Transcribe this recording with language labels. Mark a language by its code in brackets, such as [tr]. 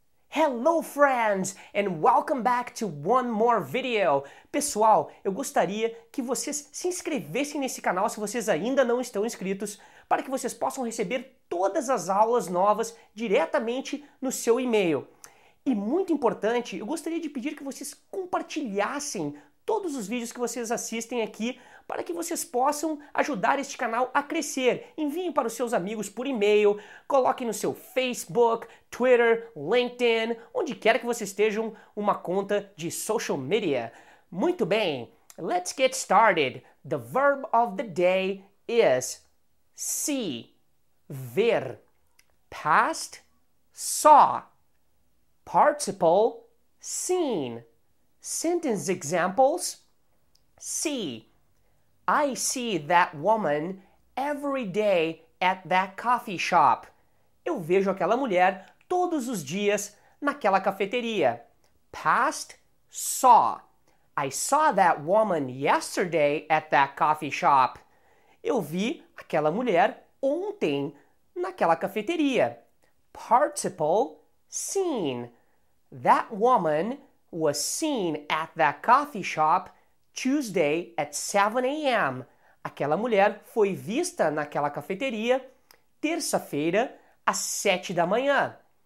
[en] Hello friends, and welcome back to one more video. [pt] Pessoal, eu gostaria que vocês se inscrevessem nesse canal se vocês ainda não estão inscritos, para que vocês possam receber todas as aulas novas diretamente no seu e-mail. E muito importante, eu gostaria de pedir que vocês compartilhassem todos os vídeos que vocês assistem aqui, para que vocês possam ajudar este canal a crescer. Enviem para os seus amigos por e-mail, coloquem no seu Facebook, Twitter, LinkedIn, onde quer que vocês estejam, uma conta de social media. Muito bem, [en] let's get started. The verb of the day is see, ver. Past, saw. Participle, seen. Sentence examples, see. I see that woman every day at that coffee shop. [pt] Eu vejo aquela mulher todos os dias naquela cafeteria. [en] Past, saw. I saw that woman yesterday at that coffee shop. [pt] Eu vi aquela mulher ontem naquela cafeteria. [en] Participle, seen. That woman was seen at that coffee shop Tuesday at 7 a.m. [pt] Aquela mulher foi vista naquela cafeteria terça-feira às 7 da manhã.